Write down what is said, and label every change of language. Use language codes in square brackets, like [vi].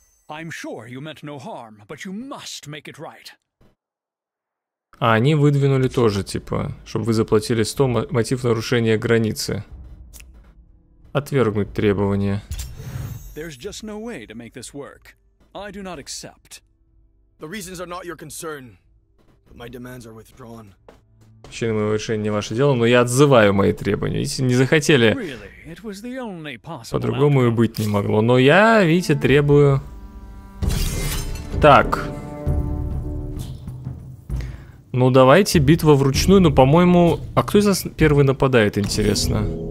[en] I'm sure you meant no harm, but you must make it right. [ru] А они выдвинули тоже, типа, чтобы вы заплатили 100, мотив нарушения границы. Отвергнуть требования. [en] There's just no way to make this work. I do not accept. The reasons are not your concern, but my demands are withdrawn. [ru] Причины моего решения не ваше дело, но я отзываю мои требования. Если не захотели, [en] really? [ru] По-другому и быть не могло. Но я, видите, требую... Так. Ну, давайте битва вручную. Ну, по-моему... А кто из нас первый нападает, интересно?